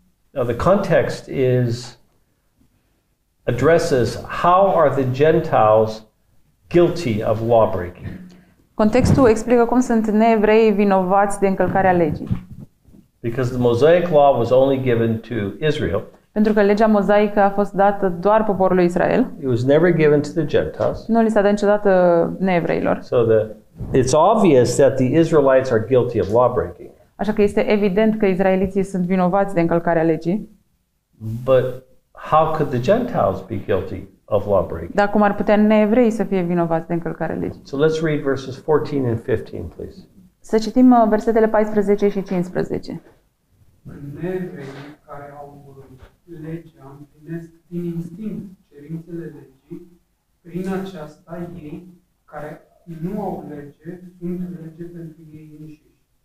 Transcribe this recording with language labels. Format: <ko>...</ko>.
<en>Now the context addresses how are the Gentiles guilty of law breaking.</en> <ro>Contextul explică cum sunt neevrei vinovați de încălcarea legii.</ro> <en>Because the Mosaic law was only given to Israel.</en> <ro>Pentru că legea mozaică a fost dată doar poporului Israel.</ro> <en>It was never given to the Gentiles.</en> <ro>Nu li s-a dat niciodată neevreilor.</ro> <en>So the it's obvious that the Israelites are guilty of lawbreaking.</en> <ro>Așa că este evident că israeliții sunt vinovați de încălcarea legii.</ro> <en>But how could the Gentiles be guilty of lawbreaking?</en> <ro>Dar cum ar putea neevrei să fie vinovați de încălcarea legii?</ro> <en>So let's read verses 14 and 15, please.</en> <ro>Să citim versetele 14 și 15. Neevreii care au legea împlinesc din instinct cerințele legii, prin aceasta ei, care nu au lege, sunt lege pentru ei înșiși.</ro>